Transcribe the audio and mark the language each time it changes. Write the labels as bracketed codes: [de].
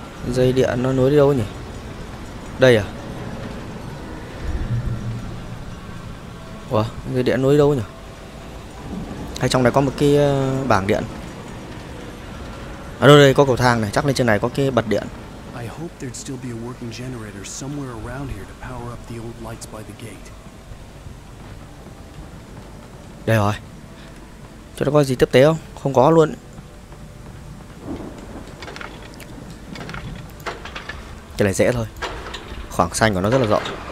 [vi] Dây điện nó nối đi đâu nhỉ? Đây à? Ủa, dây điện nối đi đâu nhỉ? Hay trong này có một cái bảng điện? Ở đâu đây, có cầu thang này, chắc lên trên này có cái bật điện. [en] I hope there'd still be a working generator somewhere around here to power up the old lights by the gate. [vi] Đây rồi. Chỗ đó có gì tiếp tế không? Không có luôn. Cái này dễ thôi. Khoảng xanh của nó rất là rộng.